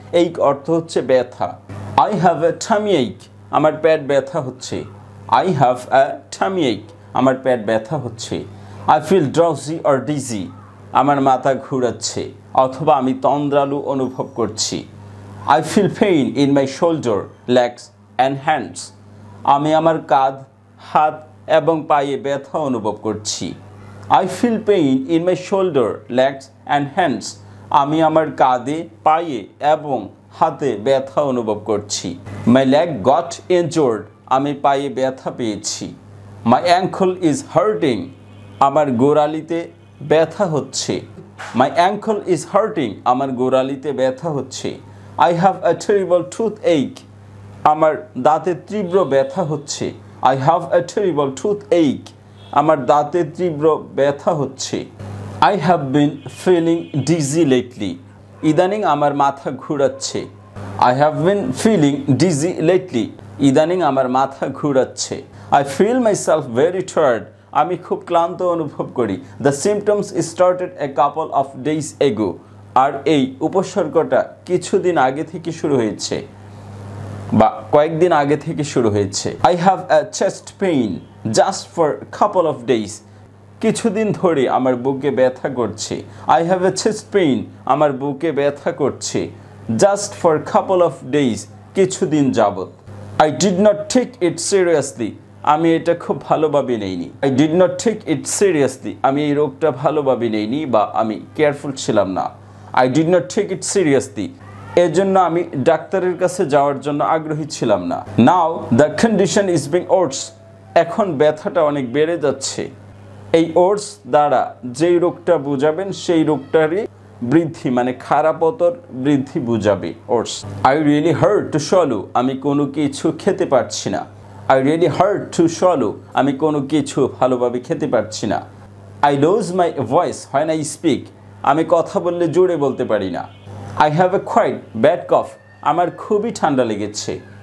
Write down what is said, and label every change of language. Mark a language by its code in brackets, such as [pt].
[bn] এইক অর্থ হচ্ছে ব্যথা। [en] I have a tummy ache, [bn] আমার পেট ব্যথা হচ্ছে। [en] I have a tummy ache, [bn] আমার পেট ব্যথা হচ্ছে। [en] I feel drowsy or dizzy, [bn] আমার মাথা ঘুরাচ্ছে অথবা আমি তন্দ্রালু অনুভব করছি। [en] I feel pain in my shoulder, legs and hands. [bn] আমি আমার কাঁধ, হাত এবং পায়ে ব্যথা অনুভব করছি. [en] I feel pain in my shoulder, legs and hands. [bn] আমি আমার কাঁধে, পায়ে এবং হাতে ব্যথা অনুভব করছি. [en] My leg got injured. [bn] আমি পায়ে ব্যথা পেয়েছি. [en] My ankle is hurting. [bn] আমার গোড়ালিতে ব্যথা হচ্ছে. [en] My ankle is hurting. [bn] আমার গোড়ালিতে ব্যথা হচ্ছে. [en] I have a terrible toothache. [bn] আমার দাঁতে তীব্র ব্যথা হচ্ছে. [en] I have a terrible toothache. [bn] আমার দাঁতে তীব্র ব্যথা হচ্ছে. [en] I have been feeling dizzy lately. [bn] ইদানিং আমার মাথা ঘুরাচ্ছে. [en] I have been feeling dizzy lately. [bn] ইদানিং আমার মাথা ঘুরাচ্ছে. [en] I feel myself very tired. [bn] আমি খুব ক্লান্ত অনুভব করি. [en] The symptoms started a couple of days ago. [bn] আর এই উপসর্গটা কিছুদিন আগে থেকে শুরু হয়েছে বা কয়েকদিন আগে থেকে শুরু হয়েছে. [en] I have a chest pain just for a couple of days. [bn] কিছুদিন ধরে আমার বুকে ব্যথা করছে. [en] I have a chest pain. [bn] আমার বুকে ব্যথা করছে. [en] Just for a couple of days. [bn] কিছুদিন যাবত. [en] I did not take it seriously. [bn] আমি এটা খুব ভালোভাবে নেইনি. [en] I did not take it seriously. [bn] আমি এই রোগটা ভালোভাবে নেইনি বা আমি কেয়ারফুল ছিলাম না. [en] I did not take it seriously. [bn] এজন্য আমি ডাক্তারের কাছে যাওয়ার জন্য আগ্রহী ছিলাম না. [en] Now the condition is being worse. [bn] এখন ব্যথাটা অনেক বেড়ে যাচ্ছে. এই ওর্স দ্বারা যেই রোগটা বোঝাবেন সেই রোগটারই বৃদ্ধি মানে খারাপতর বৃদ্ধি বোঝাবে ওর্স. [en] I really hurt to swallow. [bn] আমি কোনো কিছু খেতে পারছি না. [en] I really hurt to swallow. [bn] আমি কোনো কিছু ভালোভাবে খেতে পারছি না. [en] I lose my voice when I speak. [bn] আমি কথা বললে জোরে বলতে পারি না. [en] I have a quite bad cough. [bn] আমার খুবই ঠান্ডা লেগেছে.